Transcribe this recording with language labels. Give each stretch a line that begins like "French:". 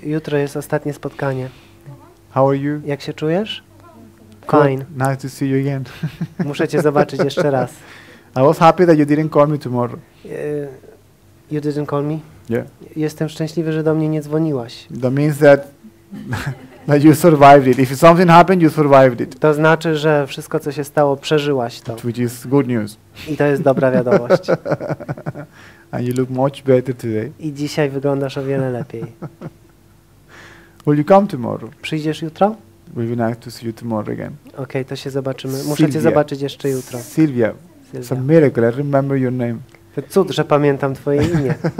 Polish: Jutro jest ostatnie spotkanie.
English: How are you?
Polish: Jak się czujesz?
English: Fine. Cool. Nice to see you again.
Polish: Muszę cię zobaczyć jeszcze raz.
English: I was happy that you didn't call me tomorrow. You didn't call me? Yeah.
Polish: Jestem szczęśliwy, że do mnie nie dzwoniłaś.
English: That means that that you survived it. If something happened, you survived it.
Polish: To znaczy, że wszystko, co się stało, przeżyłaś to.
English: Which is good news.
Polish: I to jest dobra wiadomość.
English: And you look much better today.
Polish: I dzisiaj wyglądasz o wiele lepiej.
English: Will you come tomorrow?
Polish: Przyjdziesz jutro?
English: We'll be nice to see you tomorrow again.
Polish: Okay, to się zobaczymy. Muszę cię zobaczyć jeszcze jutro. Sylwia.
English: It's a miracle. I remember your name.
Polish: To cud, że pamiętam twoje imię.